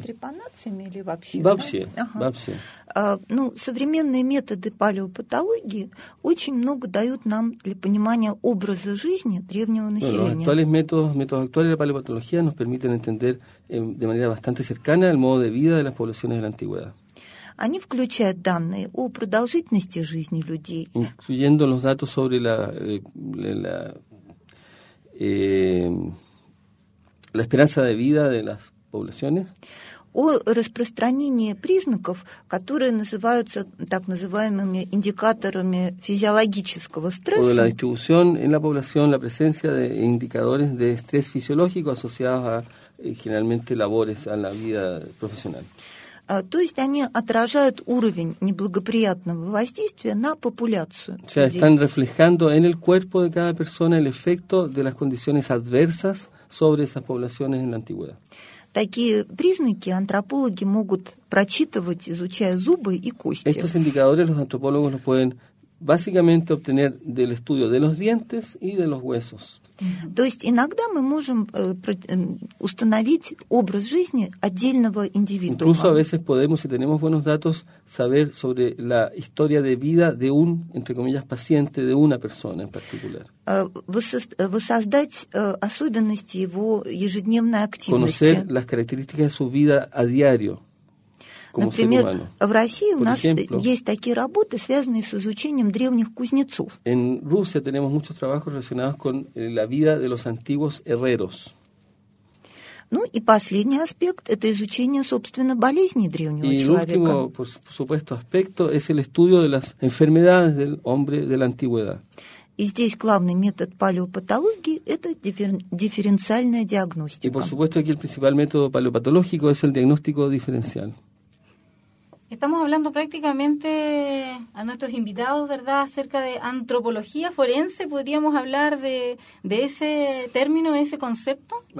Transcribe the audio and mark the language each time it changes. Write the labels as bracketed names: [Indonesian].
[Russian] С трепанациями или вообще? Вообще, да? Вообще. Современные методы палеопатологии очень много дают нам для понимания образа жизни древнего населения. [Spanish] Bueno, métodos actuales de палеопатология nos permiten entender de manera bastante cercana el modo de vida de las poblaciones de la antigüedad. [Russian] Они включают данные о продолжительности жизни людей. [Spanish] Incluyendo los datos sobre la esperanza de vida de las poblaciones. [Russian] О распространении признаков, которые называются так называемыми индикаторами физиологического стресса. [Spanish] O de la distribución en la población, la presencia de indicadores de estrés fisiológico asociados a generalmente labores a la vida profesional. [Russian] То есть они отражают уровень неблагоприятного воздействия на популяцию. [Spanish] O sea, están reflejando en el cuerpo de cada persona el efecto de las condiciones adversas sobre esas poblaciones en la antigüedad. [Russian] Такие признаки антропологи могут прочитывать, изучая зубы и кости. [Spanish] Estos indicadores los antropólogos los pueden básicamente obtener del estudio de los dientes y de los huesos. [Russian] То есть иногда мы можем установить образ жизни отдельного индивидуума. [Spanish] Incluso a veces podemos, si tenemos buenos datos, saber sobre la historia de vida de un, entre comillas, paciente, de una persona en particular. [Russian] Воссоздать особенности его ежедневной активности. [Spanish] Conocer las características de su vida a diario. [Russian] Например, в России у нас есть такие работы, связанные с изучением древних кузнецов. [Spanish] En Rusia tenemos muchos trabajos relacionados con la vida de los antiguos herreros. [Russian] Ну и последний аспект – это изучение, собственно, болезней древнего [Spanish] y [Russian] человека. [Spanish] El último, por supuesto, aspecto es el estudio de las enfermedades del hombre de la antigüedad. [Russian] И здесь главный метод палеопатологии – это дифференциальная диагностика. [Spanish] Y por supuesto, aquí el principal método paleopatológico es el diagnóstico diferencial. Estamos hablando prácticamente a nuestros invitados, ¿verdad?, acerca de antropología forense. ¿Podríamos hablar de ese término, ese concepto?